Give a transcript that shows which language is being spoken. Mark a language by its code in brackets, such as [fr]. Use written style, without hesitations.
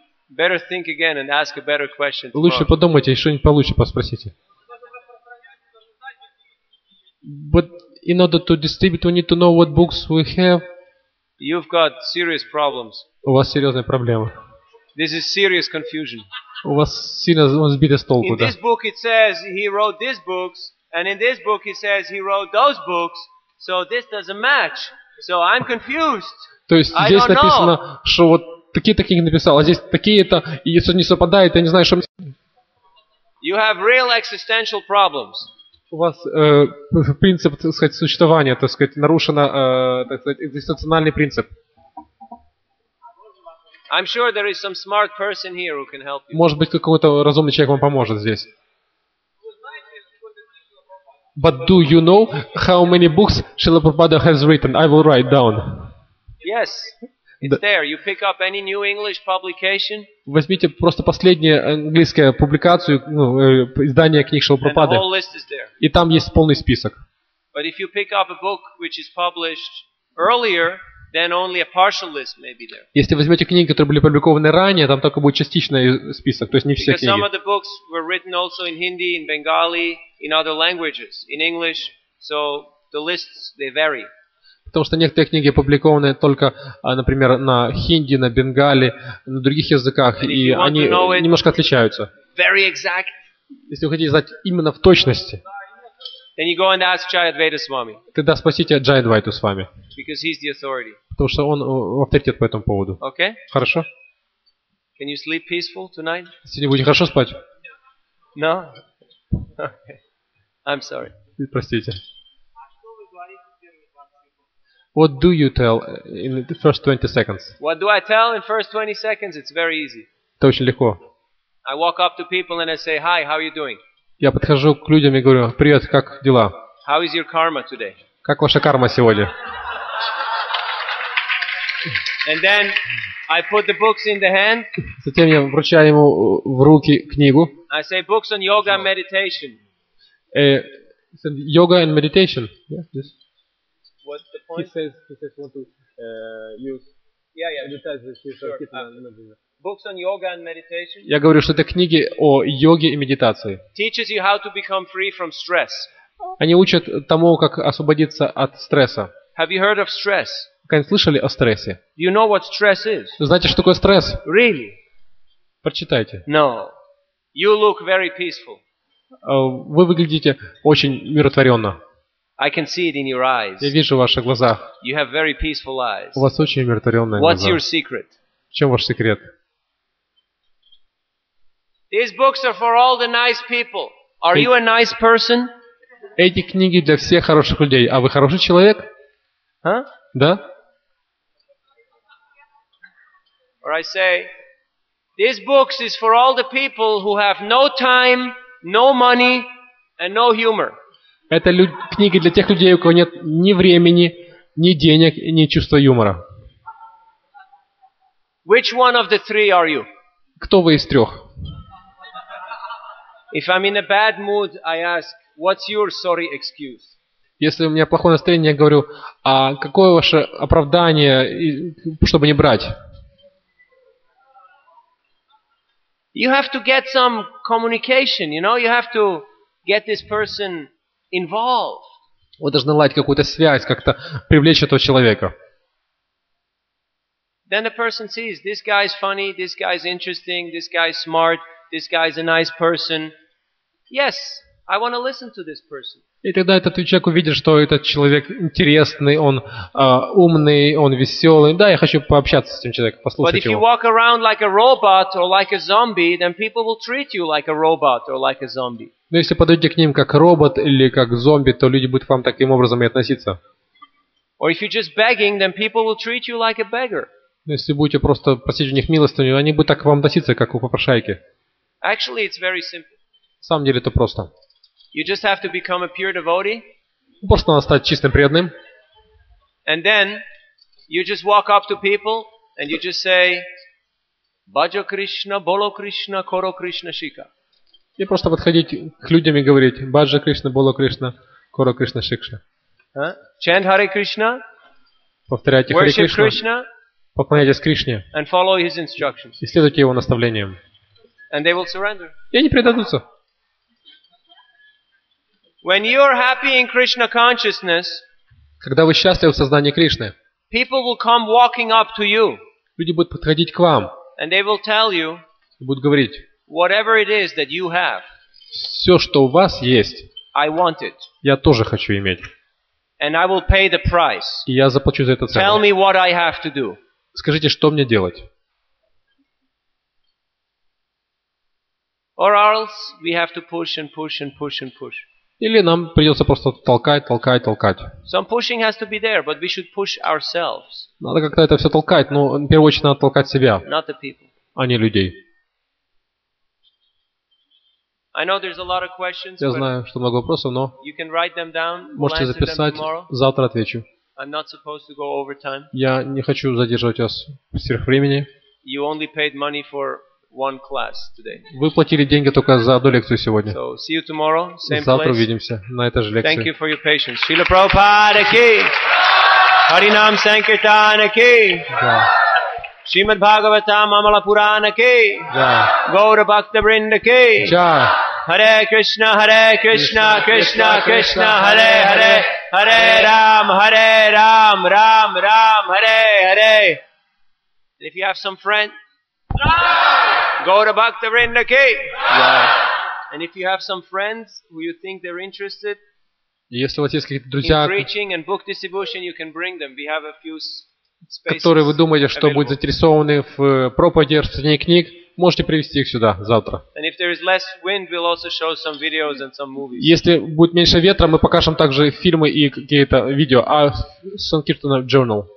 [en] Better think again and ask a better question. [ru] Лучше подумайте и что-нибудь получше поспросите. [en] But in order to distribute, we need to know what books we have. You've got serious problems. [ru] У вас серьезные проблемы. [en] This is serious confusion. [ru] У вас сильно сбито с толку, да? [en] In this book it says he wrote these books, and in this book it says he wrote those books. So this doesn't match. So I'm confused. [ru] То есть здесь написано, что вот такие-то книги написал, а здесь такие-то, и это не совпадает, я не знаю, что... [en] You have real existential problems. [ru] У вас принцип, так сказать, существования, так сказать, нарушено, так сказать, экзистенциональный принцип. [en] I'm sure there is some smart person here who can help you. [ru] Может быть, какой-то разумный человек вам поможет здесь. [en] But do you know how many books Srila Prabhupada has written? I will write down. Yes, it's there. You pick up any new English publication. [ru] Возьмите просто последнюю английскую публикацию, издание книг Шрила Прабхупады. [en] And the whole list is there. [ru] И там есть полный список. [en] But if you pick up a book which is published earlier, then only a partial list may be there. [ru] Если возьмете книги, которые были опубликованы ранее, там только будет частичный список, то есть не все [en] Because [ru] книги. [en] Some of the books were written also in Hindi, in Bengali, in other languages, in English, so the lists, they vary. [ru] Потому что некоторые книги опубликованы только, например, на хинди, на бенгали, на других языках, и они немножко отличаются. [en] Very exact. [ru] Если вы хотите знать именно в точности, [en] then you go and ask Jayadvaita Swami. [ru] Тогда спросите Джайадвайту Свами. [en] Because he's the authority. [ru] Потому что он авторитет по этому поводу. [en] Okay. [ru] Хорошо? [en] Can you sleep peaceful tonight? [ru] Сегодня будете хорошо спать? [en] No. Okay. I'm sorry. [ru] Простите. [en] What do you tell in the first 20 seconds? What do I tell in first 20 seconds? It's very easy. [ru] Это очень легко. [en] I walk up to people and I say, "Hi, how are you doing?" [ru] Я подхожу к людям и говорю: "Привет, как дела?" [en] How is your karma today? [ru] Как ваша карма сегодня? [en] And then I put the books in the hand. [ru] Затем я вручаю ему в руки книгу. [en] I say books on yoga and meditation. Yoga and meditation. Yeah, yes. What's the point? He says want to Books on yoga and meditation. [ru] Я говорю, что это книги о йоге и медитации. [en] Teaches you how to become free from stress. [ru] Они учат тому, как освободиться от стресса. [en] Have you heard of stress? [ru] Как слышали о стрессе? [en] You know what stress is? [ru] Знаете, что такое стресс? [en] Really? [ru] Прочитайте. [en] No. You look very peaceful. [ru] Вы выглядите очень миротворенно. [en] I can see it in your eyes. [ru] Я вижу ваши глаза. [en] You have very peaceful eyes. [ru] У вас очень миротворенные [en] What's [ru] глаза. [en] Your secret? [ru] В чем ваш секрет? [en] These books are for all the nice people. Are you a nice person? [ru] Эти книги для всех хороших людей. А вы хороший человек? [en] Huh? [ru] Да? [en] Or I say, these books is for all the people who have no time, no money, and no humor. [ru] Это книги для тех людей, у кого нет ни времени, ни денег, ни чувства юмора. [en] Which one of the three are you? [ru] Кто вы из трех? [en] If I'm in a bad mood, I ask, what's your sorry excuse? [ru] Если у меня плохое настроение, я говорю, а какое ваше оправдание, чтобы не брать? [en] You have to get some communication, you know, you have to get this person involved. [ru] Вы должны наладить какую-то связь, как-то привлечь этого человека. [en] Then the person sees, this guy is funny, this guy is interesting, this guy is smart, this guy is a nice person. Yes, I want to listen to this person. [ru] И тогда этот человек увидит, что этот человек интересный, он умный, он веселый. Да, я хочу пообщаться с этим человеком, послушать его. [en] But if you walk around like a robot or like a zombie, then people will treat you like a robot or like a zombie. [ru] Но если подойдете к ним как робот или как зомби, то люди будут к вам таким образом и относиться. [en] Or if you're just begging, then people will treat you like a beggar. [ru] Если будете просто просить у них милостыню, они будут так к вам относиться, как у попрошайки. [en] Actually, it's very simple. [ru] На самом деле это просто. [en] You just have to become a pure devotee. [ru] Просто надо стать чистым преданным. [en] And then you just walk up to people and you just say, [bn] Bhaja Krishna, Bolo Krishna, Koro Krishna Shika. [ru] И просто подходить к людям и говорить [bn] Баджа Кришна, Боло Кришна, Коро Кришна Шикша. [en] Chant Hare Krishna. [ru] Повторяйте Hare Krishna. Поклоняйтесь Кришне. [en] And follow his instructions. [ru] И следуйте его наставлениям. [en] And they will surrender. [ru] И они предадутся. [en] When you are happy in Krishna consciousness, [ru] когда вы счастливы в сознании Кришны, [en] people will come walking up to you. [ru] Люди будут подходить к вам. [en] And they will tell you. [ru] И будут говорить. [en] Whatever it is that you have. [ru] Всё, что у вас есть. [en] I want it. [ru] Я тоже хочу иметь. [en] And I will pay the price. [ru] И я заплачу за это цену. [en] Tell me what I have to do. [ru] Скажите, что мне делать? [en] Or else we have to push and push and push and push. [ru] Или нам придётся просто толкать, толкать, толкать. [en] Some pushing has to be there, but we should push ourselves. [ru] Надо как-то это всё толкать, но в первую очередь надо толкать себя. [en] Not the people. [ru] А не людей. [en] I know there's a lot of questions. [ru] Я знаю, что много вопросов, но [en] you can write them down. [ru] Можете записать, завтра отвечу. [en] I'm not supposed to go over time. [ru] Я не хочу задерживать вас сверх времени. [en] You only paid money for one class today. [ru] Вы платили деньги только за одну лекцию сегодня. [en] So, see you tomorrow, same place. [ru] Завтра увидимся на этой же лекции. [en] Thank you for your patience. [sa] Srila Prabhupada ki. Hari Nam Sankirtana ki. Shrimad Bhagavatam Amala Purana ki. Gaura Bhakta Vrinda ki. Hare Krishna, Hare Krishna, Krishna Krishna, Hare Hare, Hare Ram, Hare Ram, Ram Ram, Hare Hare. [en] And if you have some friend, [sa] Gaura Bhakta Vrinda ki. [en] And if you have some friends who you think they're interested in preaching and book distribution, you can bring them. We have a few [ru] которые вы думаете, что будут заинтересованы в проповеди, в чтении книг, можете привести их сюда завтра. Если будет меньше ветра, мы покажем также фильмы и какие-то видео, а Sankirtana Journal.